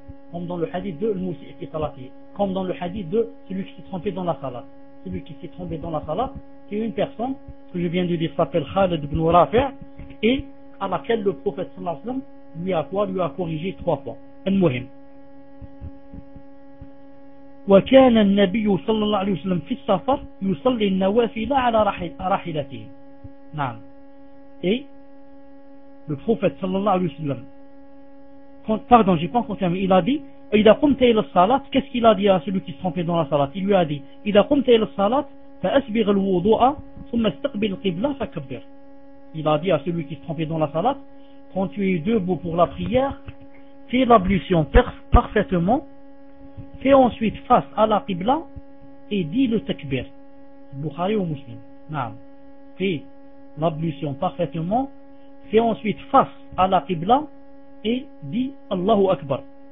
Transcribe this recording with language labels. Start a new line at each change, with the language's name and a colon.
French: Comme dans le hadith de Moussi ou Fisalatihi. Comme dans le hadith de celui qui s'est trompé dans la salat. Celui qui s'est trompé dans la salat, c'est une personne que je viens de dire s'appelle Khalid ibn Rafi' et à laquelle le prophète sallallahu alayhi wa sallam lui a corrigé trois fois.
Arabic: Al-Muhim. وكان النبي صلى الله عليه وسلم في السفر يصلي النوافل على راحلته. نعم.
French: اي le prophète صلى الله عليه وسلم pardon j'ai pas confirmé, il a dit
Arabic: اذا قمت الى الصلاه,
French: qu'est-ce qu'il a dit à celui qui se trompait dans la salat? Il lui a dit
Arabic: اذا قمت الى الصلاه فاسبغ الوضوء ثم استقبل القبلة فكبر.
French: Il a dit à celui qui se trompait dans la salat, quand tu es debout pour la prière, fais l'ablution parfaitement, fais ensuite face à la Qibla et dis le takbir. Bukhari ou Muslim. Naam. Fais l'ablution parfaitement, fais ensuite face à la Qibla et dis Allahu Akbar.